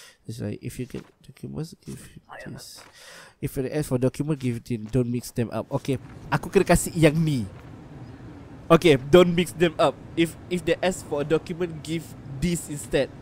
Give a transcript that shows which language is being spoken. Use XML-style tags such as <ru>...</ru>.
<en>It's like, if you get documents, give this. If you ask for document, give it in. Don't mix them up.</en> <ms>Okay, aku kena kasih yang ni.</ms> <en>Okay, don't mix them up. If they ask for a document, give this instead.</en>